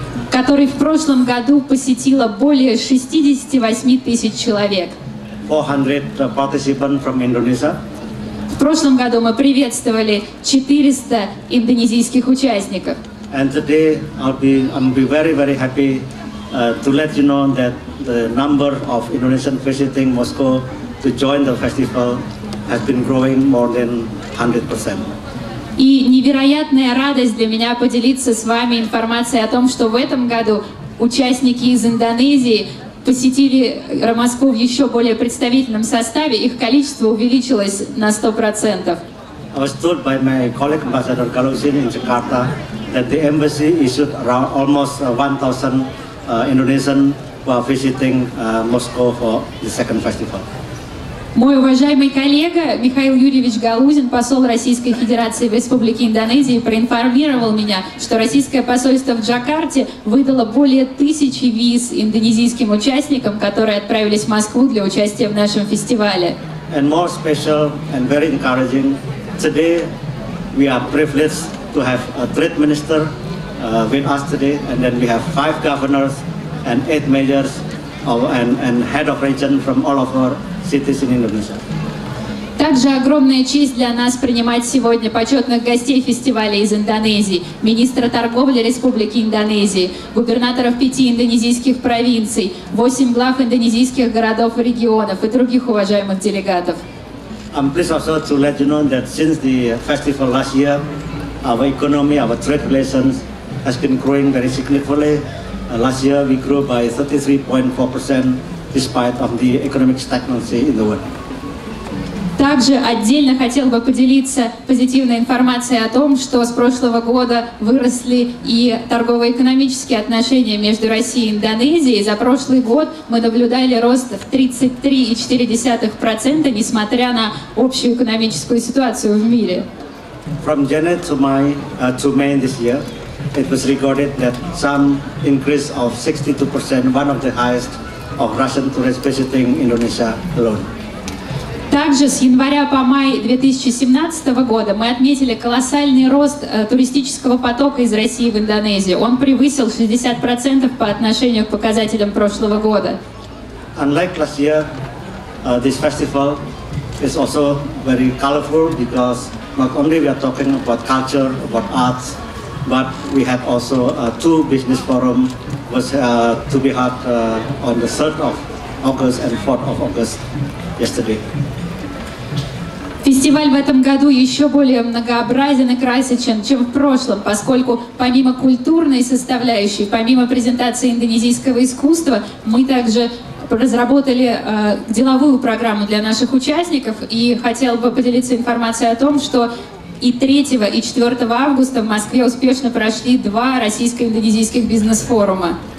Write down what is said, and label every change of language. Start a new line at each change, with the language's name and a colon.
Russian: Который в прошлом году посетило более 68,000 человек.
English: 400 participants from Indonesia.
Russian: В прошлом году мы приветствовали 400 индонезийских участников.
English: And today I'll be very very happy to let you know that the number of Indonesians visiting Moscow to join the festival has been growing more than 100%.
Russian: И невероятная радость для меня поделиться с вами информацией о том, что в этом году участники из Индонезии посетили Москву в еще более представительном составе, их количество увеличилось на 100%.
English: I was told by my colleague Ambassador Galusin in Jakarta that the embassy issued almost 1,000 Indonesians who are visiting Moscow for the second festival.
Russian: Мой уважаемый коллега Михаил Юрьевич Галузин, посол Российской Федерации в Республике Индонезии, проинформировал меня, что российское посольство в Джакарте выдало более 1000 виз индонезийским участникам, которые отправились в Москву для участия в нашем фестивале.
English: And more special and very encouraging, today we are privileged to have a trade minister with us today, and then we have 5 governors and 8 mayors and head of region from all of our cities in Indonesia.
Russian: Также огромная честь для нас принимать сегодня почетных гостей фестиваля из Индонезии, министра торговли Республики Индонезии, губернаторов 5 индонезийских провинций, 8 глав индонезийских городов и регионов и других уважаемых делегатов.
English: I'm pleased also to let you know that since the festival last year, our economy, our trade relations has been growing very significantly. Last year we grew by 33.4% despite of the economic stagnancy in the world.
Russian: Также отдельно хотел бы поделиться позитивной информацией о том, что с прошлого года выросли и торгово-экономические отношения между Россией и Индонезией. За прошлый год мы наблюдали рост в 33.4%, несмотря на общую экономическую ситуацию в мире.
English: From January to May this year, it was recorded that some increase of 62%, one of the highest of Russian tourists visiting Indonesia alone.
Russian: Также с января по май 2017 года мы отметили колоссальный рост туристического потока из России в Индонезию. Он превысил 60% по отношению к показателям прошлого года.
English: Unlike last year, this festival is also very colorful because not only we are talking about culture, about arts, but we had also 2 business forums was to be held on the 3rd of August and 4th of August yesterday.
Russian: Фестиваль в этом году еще более многообразен и красочен, чем в прошлом, поскольку помимо культурной составляющей, помимо презентации индонезийского искусства, мы также разработали деловую программу для наших участников, и хотел бы поделиться информацией о том, что и 3 и 4 августа в Москве успешно прошли 2 российско-индонезийских бизнес-форума.